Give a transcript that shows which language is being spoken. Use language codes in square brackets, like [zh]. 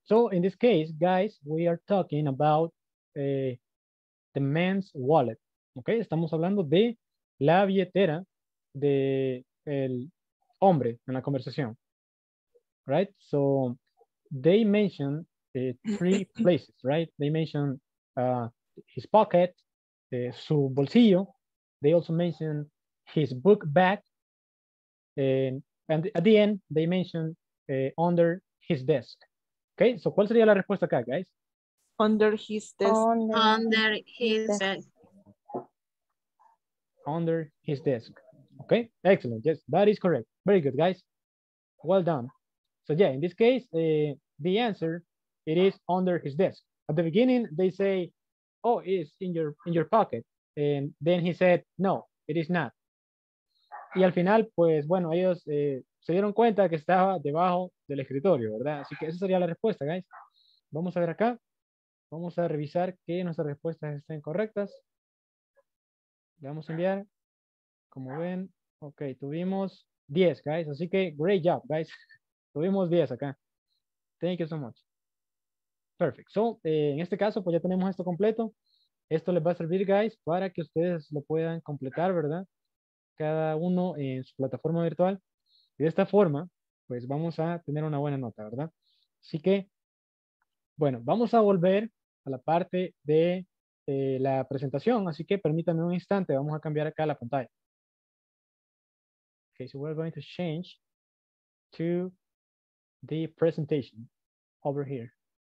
[en] So in this case, guys, we are talking about the man's wallet. [es] Okay, estamos hablando de la billetera de el hombre en la conversación. [en] Right, so they mentioned 3 places, right? They mentioned his pocket, [es] su bolsillo. [en] They also mention his book bag. And at the end, they mention under his desk. [es] Okay, so ¿cuál sería la respuesta acá, guys? [en] Under his desk. Under his desk. Under his desk. Okay, excellent. Yes, that is correct. Very good, guys. Well done. So yeah, in this case, the answer, it is under his desk. At the beginning, they say, oh, it's in your pocket. And then he said, no, it is not. [es] Y al final, pues bueno, ellos se dieron cuenta que estaba debajo del escritorio, ¿verdad? Así que esa sería la respuesta, guys. Vamos a ver acá. Vamos a revisar que nuestras respuestas estén correctas. Le vamos a enviar. Como ven, ok, tuvimos 10, guys. Así que, [en] great job, guys. [es] Tuvimos 10 acá. [en] Thank you so much. Perfect. [es] So, en este caso, pues ya tenemos esto completo. Esto les va a servir, guys, para que ustedes lo puedan completar, ¿verdad? Cada uno en su plataforma virtual. Y de esta forma, pues vamos a tener una buena nota, ¿verdad? Así que, bueno, vamos a volver a la parte de la presentación. Así que permítanme un instante. Vamos a cambiar acá la pantalla. [en] Okay, so we're going to change to the presentation over here.